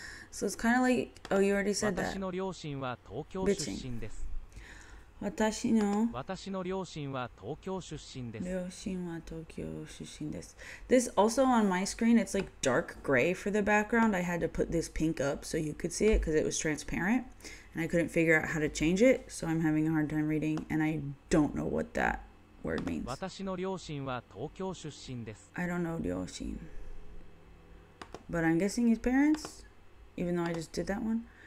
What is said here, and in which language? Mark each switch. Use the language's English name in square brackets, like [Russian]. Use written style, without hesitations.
[English] So it's kind of like, oh, you already said that. [Japanese] 私の両親は東京出身です。私の両親は東京出身です。両親は東京出身です。 [English] This also on my screen, it's like dark gray for the background. I had to put this pink up so you could see it because it was transparent. And I couldn't figure out how to change it. So I'm having a hard time reading and I don't know what that word means. [Japanese] 私の両親は東京出身です。 [English] I don't know 両親。 But I'm guessing his parents, even though I just did that one.